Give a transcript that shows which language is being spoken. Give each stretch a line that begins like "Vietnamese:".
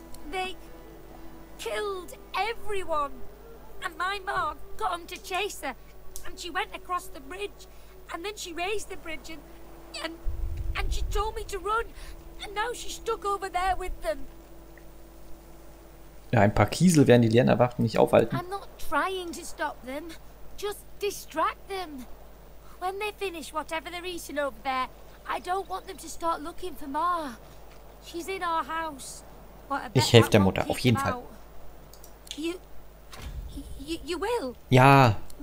English: They killed everyone. And my mom got them to chase her. And she went across the bridge. And then she raised the bridge and she told me to run. And now she's stuck over there with them.
German: Ja, ein paar Kiesel werden die leeren Erwachten nicht aufhalten.
English: I'm not trying to stop them. Just distract them. When they finish whatever they're eating over there, I don't want them to start looking for Ma. She's in our house.
German: Ich helfe der Mutter, auf jeden Fall.
English: You will?
German: Ja.